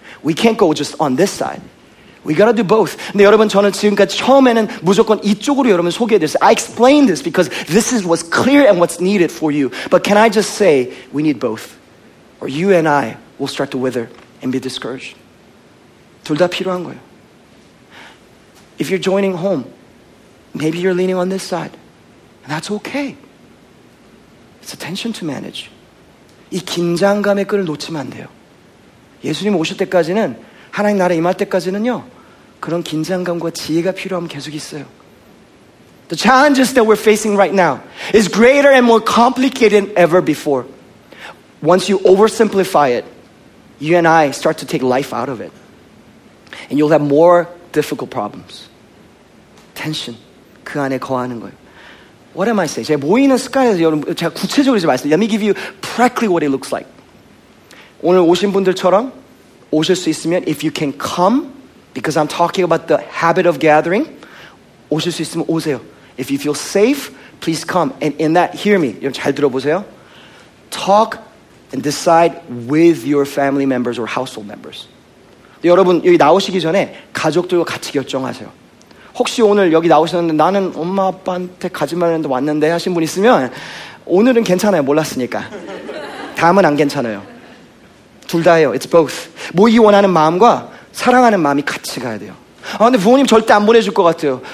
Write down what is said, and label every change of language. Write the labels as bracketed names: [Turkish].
[English] We can't go just on this side. We gotta do both. [Korean] 근데 여러분, 저는 지금까지 처음에는 무조건 이쪽으로 여러분 소개해드렸어요. [English] I explain this because this is what's clear and what's needed for you. But can I just say, we need both. Or you and I will start to wither and be discouraged. [Korean] 둘 다 필요한 거예요. [English] If you're joining home, maybe you're leaning on this side. And that's okay. It's a tension to manage. [Korean] 이 긴장감의 끈을 놓치면 안 돼요. 예수님 오실 때까지는, 하나님 나라 임할 때까지는요, 그런 긴장감과 지혜가 필요함 계속 있어요. [English] The challenges that we're facing right now is greater and more complicated than ever before. Once you oversimplify it, you and I start to take life out of it. And you'll have more difficult problems. Tension. [Korean] 그 안에 거하는 거예요. [English] What am I saying? [Korean] 제가 모이는 습관에서 여러분, 제가 구체적으로 좀 말씀. [English] Let me give you practically what it looks like. [Korean] 오늘 오신 분들처럼 오실 수 있으면, [English] if you can come, because I'm talking about the habit of gathering, [Korean] 오실 수 있으면 오세요. [English] If you feel safe, please come. And in that, hear me. [Korean] 여러분 잘 들어보세요. [English] Talk and decide with your family members or household members. [Korean] 여러분, 여기 나오시기 전에 가족들과 같이 결정하세요. 혹시 오늘 여기 나오셨는데 나는 엄마, 아빠한테 가지 말라 했는데 왔는데 하신 분 있으면 오늘은 괜찮아요. 몰랐으니까. 다음은 안 괜찮아요. 둘 다예요. [English] It's both. [Korean] 모이기 원하는 마음과 사랑하는 마음이 같이 가야 돼요. 아, 근데 부모님 절대 안 보내줄 것 같아요.